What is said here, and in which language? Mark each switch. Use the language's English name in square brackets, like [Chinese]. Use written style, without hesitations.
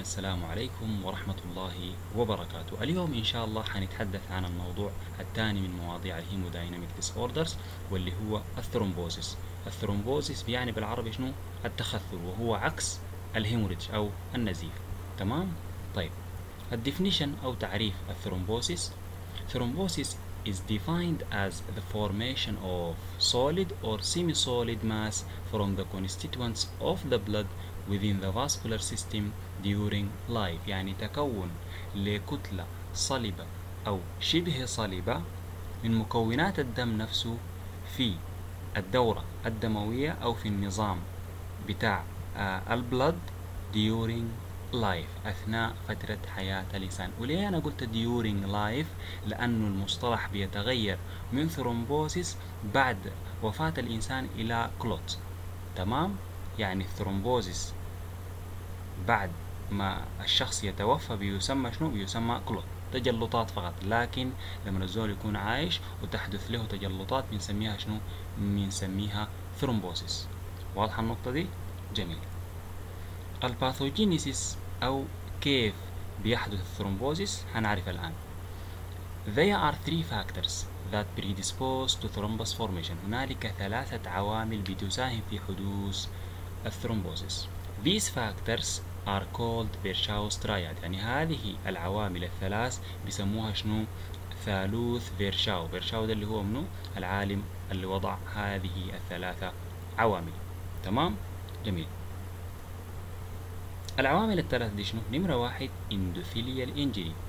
[Arabic] السلام عليكم ورحمة الله وبركاته. اليوم إن شاء الله حنتحدث عن الموضوع الثاني من مواضيع الهيموداينامك ديس أوردرز، واللي هو الثرومبوزيس. الثرومبوزيس بيعني بالعربي شنو؟ التخثر، وهو عكس الهيموريدج أو النزيف. تمام؟ طيب، الديفنيشن أو تعريف الثرومبوزيس: [English] Thrombosis is defined as the formation of solid or semi-solid mass from the constituents of the blood within the vascular system during life. [Arabic] يعني تكون لكتلة صلبة أو شبه صلبة من مكونات الدم نفسه في الدورة الدموية أو في النظام بتاع البلد [English] during life، [Arabic] أثناء فترة حياة الإنسان. وليه أنا قلت [English] during life؟ [Arabic] لأن المصطلح بيتغير من thrombosis بعد وفاة الإنسان إلى clot. تمام؟ يعني thrombosis بعد ما الشخص يتوفى بيسمى شنو؟ بيسمى كلوت، تجلطات فقط. لكن لما الزول يكون عايش وتحدث له تجلطات بنسميها شنو؟ بنسميها ثرومبوزيس. واضحة النقطة دي؟ جميل. الباثوجينيسيس أو كيف بيحدث الثرومبوزيس هنعرف الآن. [English] There are three factors that predispose to thrombus formation. [Arabic] هنالك ثلاثة عوامل بتساهم في حدوث الثرومبوزيس. [English] These factors are called Virchow's triad. [Arabic] يعني هذه العوامل الثلاث بيسموها شنو؟ ثالوث فيرشاو. فيرشاو ده اللي هو منو؟ العالم اللي وضع هذه الثلاثة عوامل. تمام؟ جميل. العوامل الثلاث دي شنو؟ نمرة واحد endothelial injury.